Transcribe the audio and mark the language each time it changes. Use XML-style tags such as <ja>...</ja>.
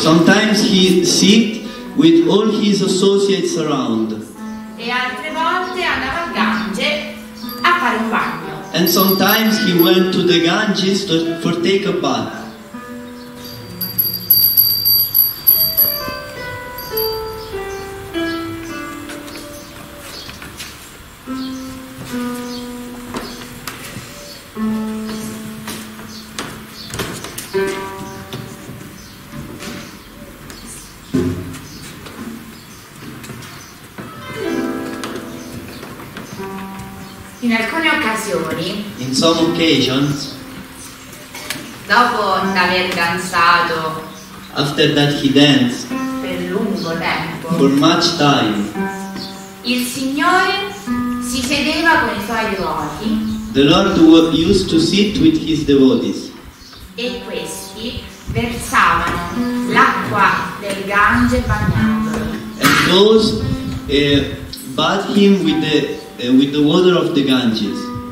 <en>Sometimes he sit with all his associates around.</en> <it>E altre volte andava al Gange a fare un bagno.</it> <en>And sometimes he went to the Ganges for take a bath. In some occasions,</en> <it>dopo aver danzato</it> <en>After that he danced.</en> <it>Per lungo tempo.</it> <en>For much time.</en> <it>Il Signore si sedeva con i suoi devoti.</it> <en>The Lord used to sit with his devotees.</en> <it>E questi versavano l'acqua del Gange bagnandolo.</it> <en>And those bathed him with the water of the Ganges.</en>